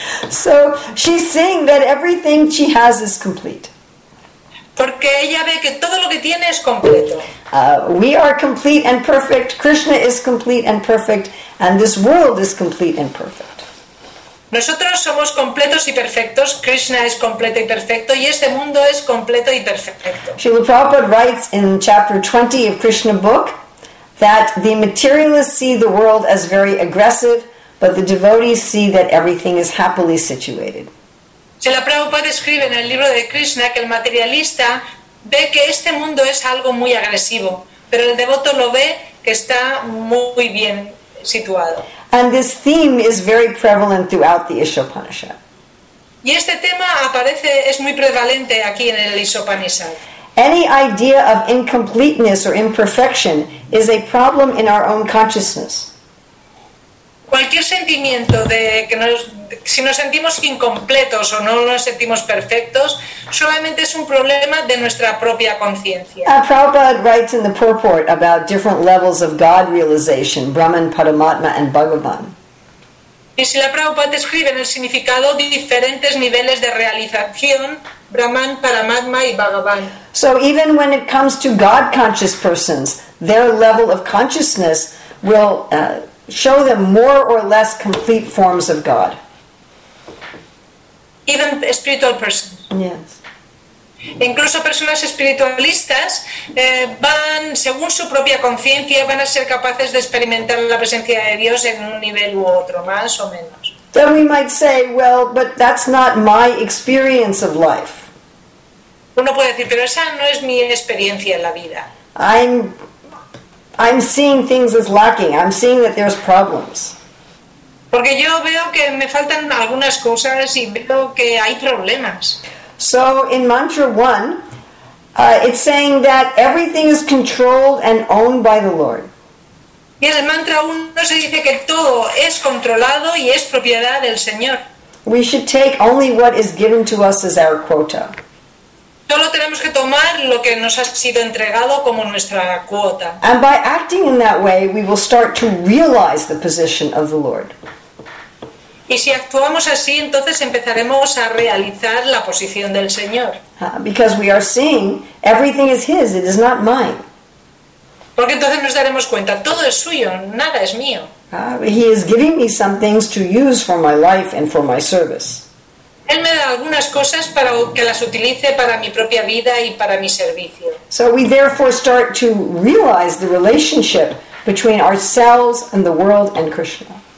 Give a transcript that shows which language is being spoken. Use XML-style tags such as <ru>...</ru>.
<en>So she's saying that everything she has is complete.</en> <es>Porque ella ve que todo lo que tiene es completo.</es> <en>We are complete and perfect. Krishna is complete and perfect, and this world is complete and perfect.</en> <es>Nosotros somos completos y perfectos, Krishna es completo y perfecto, y este mundo es completo y perfecto.</es> <en>Srila Prabhupada writes in chapter 20 of Krishna book that the materialists see the world as very aggressive, but the devotees see that everything is happily situated.</en> <es>Srila Prabhupada escribe en el libro de Krishna que el materialista ve que este mundo es algo muy agresivo, pero el devoto lo ve que está muy bien situado.</es> <en>And this theme is very prevalent throughout the Isha Upanishad.</en> <es>Y este tema aparece, es muy prevalente aquí en el Isha Upanishad.</es> <en>Any idea of incompleteness or imperfection is a problem in our own consciousness.</en> <es>Cualquier sentimiento de que si nos sentimos incompletos o no nos sentimos perfectos, solamente es un problema de nuestra propia conciencia.</es> <en>Prabhupada writes in the purport about different levels of God realization, Brahman, Paramatma, and Bhagavan.</en> <es>Y si la Prabhupada escribe en el significado de diferentes niveles de realización, Brahman, Paramatma y Bhagavan.</es> <en>So even when it comes to God-conscious persons, their level of consciousness will... show them more or less complete forms of God. Even spiritual persons. Yes.</en> <es>Incluso personas espiritualistas van, según su propia conciencia, van a ser capaces de experimentar la presencia de Dios en un nivel u otro, más o menos.</es> <en>Then we might say, well, but that's not my experience of life.</en> <es>Uno puede decir, pero esa no es mi experiencia en la vida.</es> <en>I'm I'm seeing things as lacking. I'm seeing that there's problems.</en> <es>Porque yo veo que me faltan algunas cosas y veo que hay problemas.</es> <en>So in Mantra 1, it's saying that everything is controlled and owned by the Lord.</en> <es>Y en el Mantra 1 se dice que todo es controlado y es propiedad del Señor.</es> <en>We should take only what is given to us as our quota.</en> <es>Solo tenemos que tomar lo que nos ha sido entregado como nuestra cuota.</es> <en>And by acting in that way, we will start to realize the position of the Lord.</en> <es>Y si actuamos así, entonces empezaremos a realizar la posición del Señor.</es> <en>Because we are seeing everything is His, it is not mine.</en> <es>Porque entonces nos daremos cuenta, todo es suyo, nada es mío.</es> <en>He is giving me some things to use for my life and for my service.</en> <es>Él me da algunas cosas para que las utilice para mi propia vida y para mi servicio.</es> <en>So we therefore start to realize the relationship between ourselves and the world and Krishna.</en>